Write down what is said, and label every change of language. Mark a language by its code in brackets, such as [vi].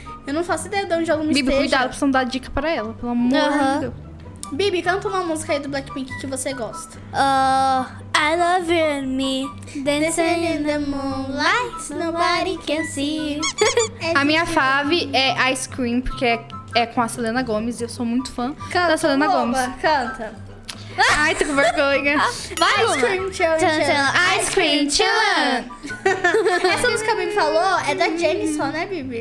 [pt] Eu não faço ideia de onde a Luma Bibi, esteja. Bibi, cuidado, precisamos dar dica pra ela, pelo amor de Deus. Bibi, canta uma música aí do Blackpink que você gosta. [en] I love you and me, dancing in the moonlight, nobody can see. [pt] A minha fave é Ice Cream, porque é com a Selena Gomez e eu sou muito fã canta, da Selena Gomez. Canta. Ai, tô com vergonha. Vai, [en] Ice Cream Chillin'. Ice Cream Chillin'. [pt] Essa música que a Bibi falou é da Jenny só, né, Bibi?